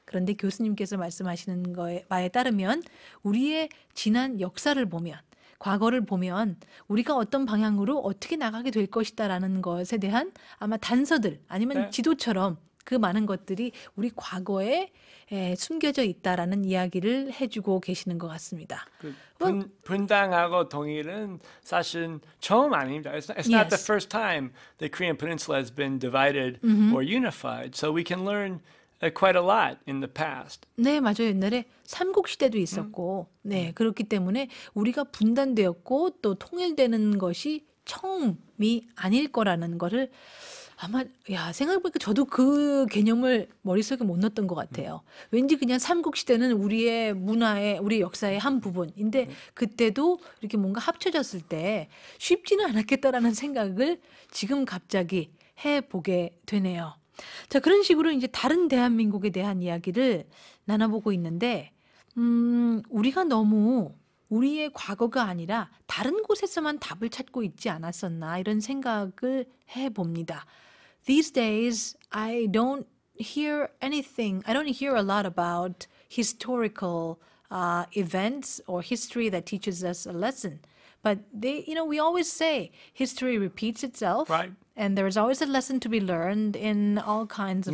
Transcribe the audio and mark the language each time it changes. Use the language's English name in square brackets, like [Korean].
[Korean] 그런데 교수님께서 말씀하시는 거에 바에 따르면 우리의 지난 역사를 보면 과거를 보면 우리가 어떤 방향으로 어떻게 나가게 될 것이다라는 것에 대한 아마 단서들 아니면 네, 지도처럼 그 많은 것들이 우리 과거에 숨겨져 있다라는 이야기를 해주고 계시는 것 같습니다. 그 분당하고 동일은 사실 처음 아닙니다. [English] It's not the first time the Korean Peninsula has been divided or unified. So we can learn quite a lot in the past. [Korean] 네, 맞아요. 옛날에 삼국시대도 있었고 네, 그렇기 때문에 우리가 분단되었고 또 통일되는 것이 처음이 아닐 거라는 것을 아마 야 생각해보니까 저도 그 개념을 머릿속에 못 넣었던 것 같아요. 왠지 그냥 삼국시대는 우리의 문화의 우리 역사의 한 부분인데 그때도 이렇게 뭔가 합쳐졌을 때 쉽지는 않았겠다라는 생각을 지금 갑자기 해보게 되네요. 자 그런 식으로 이제 다른 대한민국에 대한 이야기를 나눠보고 있는데 우리가 너무 우리의 과거가 아니라 다른 곳에서만 답을 찾고 있지 않았었나 이런 생각을 해봅니다. [English] These days, I don't hear anything. I don't hear a lot about historical events or history that teaches us a lesson. But they, you know, we always say history repeats itself. Right. And there is always a lesson to be learned in all kinds of